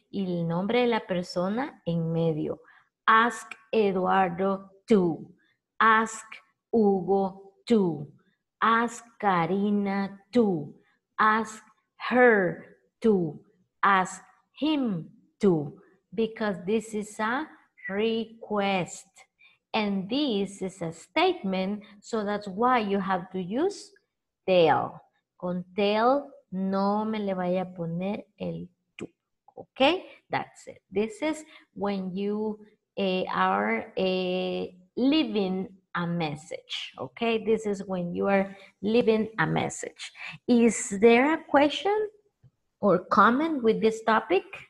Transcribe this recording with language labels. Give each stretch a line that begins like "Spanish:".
Spanish: Y el nombre de la persona en medio.
English: Ask Eduardo to, ask Hugo to, ask Karina to, ask her to, ask him to, because this is a request and this is a statement, so that's why you have to use tell.
Spanish: Con tell no me le vaya a poner el tú.
English: Okay, that's it. This is when you are leaving a message, okay? This is when you are leaving a message. Is there a question or comment with this topic?